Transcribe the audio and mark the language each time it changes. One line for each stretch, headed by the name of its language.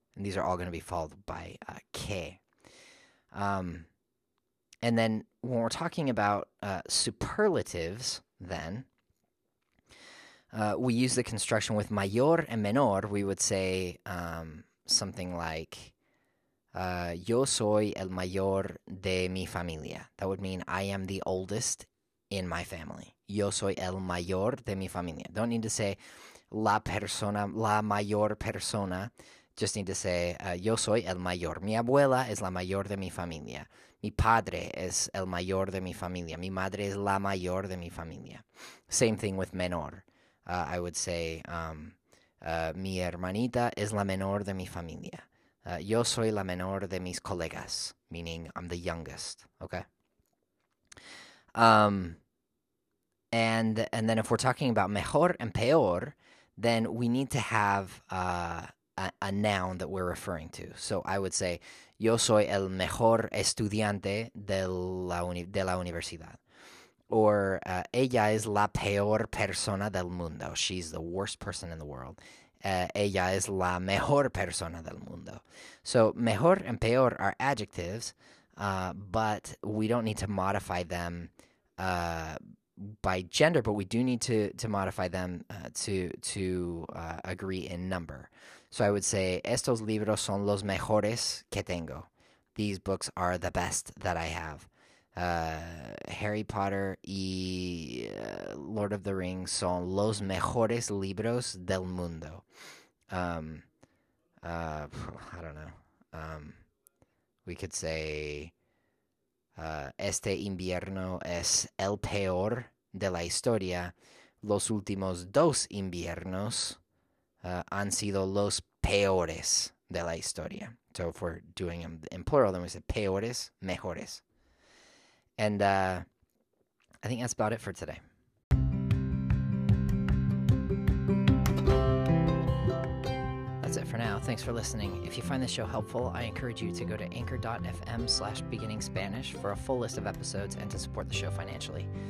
English: And these are all going to be followed by que. And then when we're talking about superlatives, then, we use the construction with mayor and menor. We would say something like,
Spanish: yo soy el mayor de mi familia.
English: That would mean I am the oldest in my family.
Spanish: Yo soy el mayor de mi familia.
English: Don't need to say
Spanish: la persona, la mayor persona.
English: Just need to say,
Spanish: yo soy el mayor. Mi abuela es la mayor de mi familia. Mi padre es el mayor de mi familia. Mi madre es la mayor de mi familia.
English: Same thing with menor. I would say,
Spanish: mi hermanita es la menor de mi familia. Yo soy la menor de mis colegas,
English: meaning I'm the youngest, okay? And then if we're talking about mejor and peor, then we need to have a noun that we're referring to. So I would say,
Spanish: yo soy el mejor estudiante de la universidad. Or ella es la peor persona del mundo.
English: She's the worst person in the world.
Spanish: Ella es la mejor persona del mundo.
English: So mejor and peor are adjectives, but we don't need to modify them by gender, but we do need to modify them to agree in number. So I would say,
Spanish: estos libros son los mejores que tengo.
English: These books are the best that I have.
Spanish: Harry Potter y Lord of the Rings son los mejores libros del mundo.
English: I don't know. We could say,
Spanish: este invierno es el peor de la historia. Los últimos dos inviernos, han sido los peores de la historia.
English: So if we're doing them in plural, then we say peores, mejores. And I think that's about it for today. That's it for now. Thanks for listening. If you find this show helpful, I encourage you to go to anchor.fm/beginningspanish for a full list of episodes and to support the show financially.